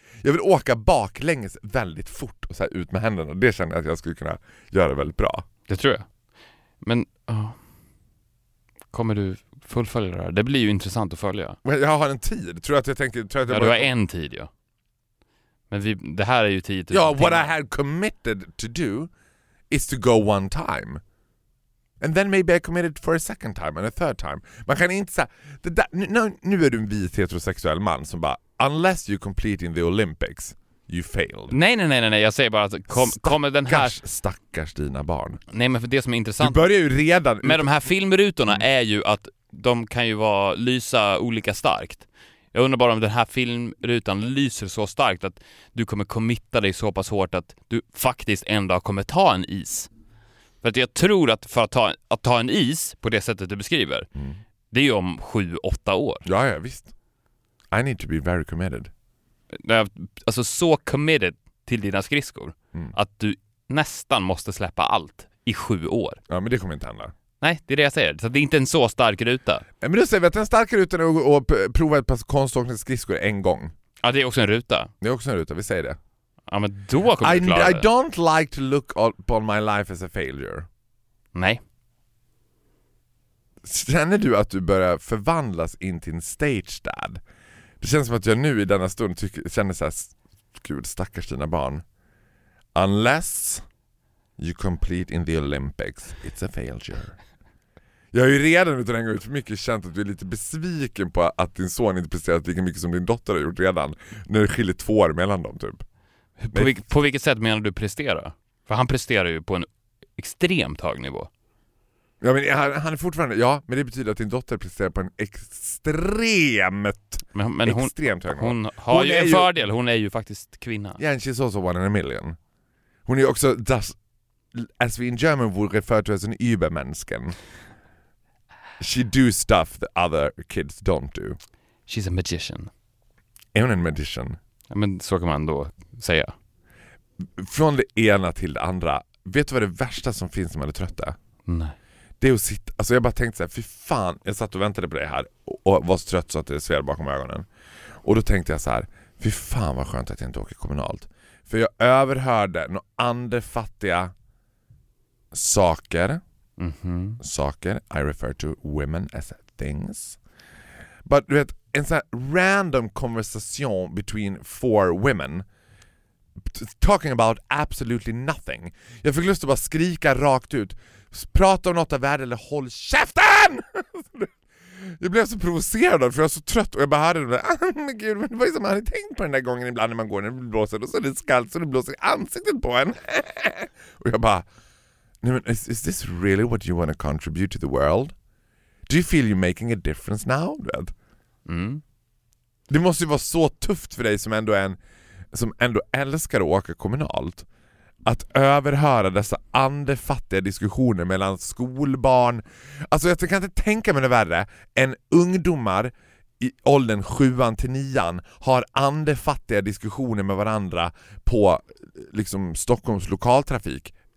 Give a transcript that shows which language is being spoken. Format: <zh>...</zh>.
<sv>Jag vill åka baklänges väldigt fort och så här ut med händerna. Det känner jag att jag skulle kunna göra väldigt bra. Det tror jag. Men kommer du fullfölja det här? Det blir ju intressant att följa. Jag har en tid. Tror att jag tänker, tror att jag ja, bara... du har en tid, ja. Men det här är ju tid.</sv> <en>Ja, what I had committed to do is to go one time. And then maybe I committed for a second time and a third time.</en> <sv>Man kan inte säga... Nu är du en vit heterosexuell man som bara,</sv> <en>unless you complete in the Olympics, you failed.</en> <sv>Nej. Jag säger bara att kommer den här... Stackars dina barn. Nej, men för det som är intressant... Du börjar ju redan... Med de här filmrutorna är ju att de kan ju lysa olika starkt. Jag undrar bara om den här filmrutan lyser så starkt att du kommer kommitta dig så pass hårt att du faktiskt en dag kommer ta en is. För att jag tror att för att ta en is på det sättet du beskriver, det är ju om 7-8 år. Ja, visst.</sv> <en>I need to be very committed.</en> <sv>Alltså så committed till dina skridskor att du nästan måste släppa allt i 7 år. Ja, men det kommer inte hända. Nej, det är det jag säger. Så det är inte en så stark ruta. Men du säger att en stark ruta är att prova ett par konståkning skridskor en gång. Ja, det är också en ruta. Det är också en ruta, vi säger det. Ja, men då kommer du klara</sv> <en>det. I don't like to look upon my life as a failure.</en> <sv>Nej. Känner du att du börjar förvandlas in till en stage dad? Det känns som att jag nu i denna stund känner så här, gud, stackars dina barn.</sv> <en>Unless you complete in the Olympics, it's a failure.</en> <sv>Jag har ju redan utan en gång ut för mycket känt att du är lite besviken på att din son inte presterat lika mycket som din dotter har gjort redan. När det skiljer 2 år mellan dem typ. På vilket sätt menar du prestera? För han presterar ju på en extremt hög nivå. Ja, men han är fortfarande, ja, men det betyder att din dotter presterar på en extremt, men hon, extremt hög nivå. Hon har ju en fördel, hon är ju faktiskt kvinna.</sv> <en>Yeah, and she's also one in a million.</en> <sv>Hon är ju också,</sv> <en>as we in German would refer to as an übermänniskan. She do stuff that other kids don't do. She's a magician.</en> <sv>Är hon en magician? Ja, men så kan man då säga. Från det ena till det andra. Vet du vad det värsta som finns när man är trött? Nej. Det är att sitta, alltså jag bara tänkte så här, fy fan, jag satt och väntade på det här och var så trött så att det sved bakom ögonen. Och då tänkte jag så här, fy fan vad skönt att jag inte åker kommunalt. För jag överhörde några andefattiga saker. Mm-hmm.</sv> <en>Saker, I refer to women as things. But</en> <sv>du vet, en sån här</sv> <en>random conversation between 4 women. Talking about absolutely nothing.</en> <sv>Jag fick lust att bara skrika rakt ut. Prata om något av värde eller håll käften! Jag blev så provocerad för jag är så trött och jag bara hörde det. Ah, men gud, men vad är det som man hade tänkt på den där gången ibland när man går när det blåser och så är det skallt så det blåser i ansiktet på en. Och jag bara, nej, men</sv> <en>is this really what you want to contribute to the world? Do you feel you're making a difference now? Mm.</en> <sv>Det måste ju vara så tufft för dig som ändå är en, som ändå älskar att åka kommunalt. Att överhöra dessa andefattiga diskussioner mellan skolbarn. Alltså jag kan inte tänka mig det värre än ungdomar i åldern 7-9 har andefattiga diskussioner med varandra på liksom Stockholms lokaltrafik.</sv>